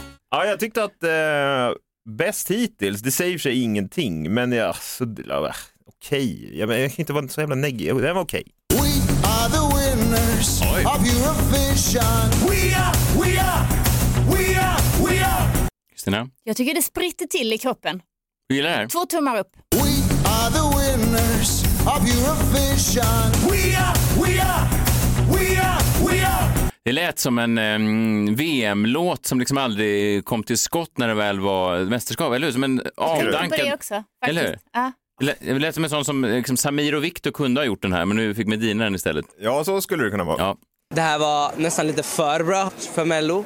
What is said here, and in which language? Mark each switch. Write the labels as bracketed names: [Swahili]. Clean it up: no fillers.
[Swedish] Ja, jag tyckte att bäst hittills, det säger sig ingenting, men ja, så okej. Jag kan inte vara så jävla neggig. Det var okej. [English] We are the winners. Oj. Of Eurovision. We are, we are, we are, we are. [Swedish] Kristina? Jag tycker det spritter till i kroppen. Du gillar det? Två tummar upp. [English] We are the winners of Eurovision. We are, we are, we are, we are. [Swedish] Det lät som en VM-låt som liksom aldrig kom till skott när det väl var mästerskap, eller hur? Som en avdankad... Jag tänkte på det också, faktiskt. Det lät som en sån som liksom Samir och Victor kunde ha gjort den här, men nu fick Medina den istället. Ja, så skulle det kunna vara. Ja. Det här var nästan lite för bra för Mello.